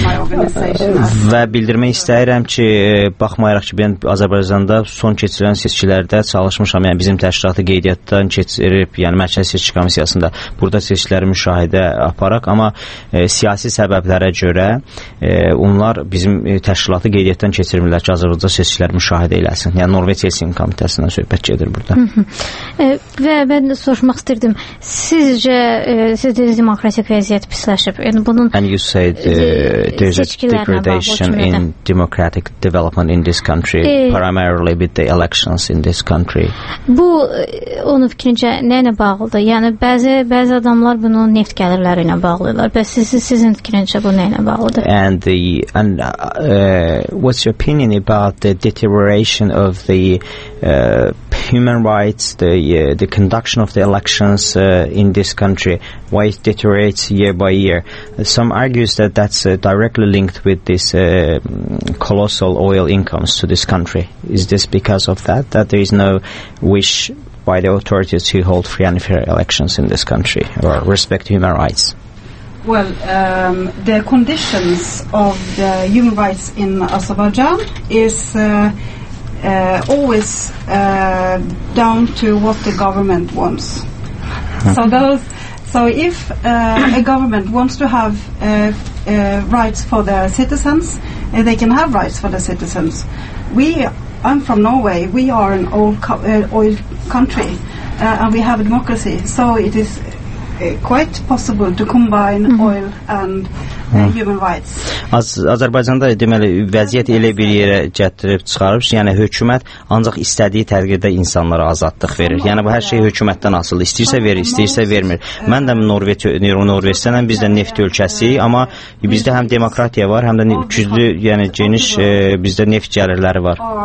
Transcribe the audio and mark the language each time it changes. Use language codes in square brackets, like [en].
[az] Və bildirmək istəyirəm ki, baxmayaraq ki, mən Azərbaycanda son keçirilən seçkilərdə çalışmışam, yəni bizim təşkilatı qeydiyyatdan keçirib, yəni Mərkəzi Seçki Komissiyasında burada seçkiləri müşahidə aparaq, amma siyasi səbəblərə görə onlar bizim təşkilatı qeydiyyatdan keçirmirlər ki, Azərbaycanda seçkiləri müşahidə eləsin. Yəni Norveç Helsinki Komitəsindən söhbət gedir burada. Və mən soruşmaq istəyirdim, sizcə siz dediniz demokratik vəziyyət pisləşib. Yəni bunun [en] and you said there's a degradation in democratic development in this country primarily with the elections in this country. [az] Bu onun fikrincə nə ilə bağlıdır? Yəni bəzi adamlar bunu neft gəlirləri ilə bağlayırlar. Bəs sizin fikrincə bu nə ilə bağlıdır? [en] And what's your opinion about the deterioration of the human rights, the conduction of the elections in this country, why it deteriorates year by year. Some argues that that's directly linked with this colossal oil incomes to this country. Is this because of that, that there is no wish by the authorities to hold free and fair elections in this country or respect human rights? Well, the conditions of the human rights in Azerbaijan is always down to what the government wants. So if a government wants to have rights for their citizens, they can have rights for their citizens. I'm from Norway. We are an oil country, and we have a democracy. So it is quite possible to combine oil and [az] Azərbaycanda deməli vəziyyət elə bir yerə gətirib çıxarıb, yəni hökumət ancaq istədiyi təqdirdə insanlara azadlıq verir. Yəni bu hər şey hökumətdən asılı. İstəyirsə verir, istəyirsə vermir. Mən də Norveçdənəm, biz də neft ölkəsiyik, amma bizdə həm demokratiya var, həm də güclü, yəni geniş bizdə neft gəlirləri var.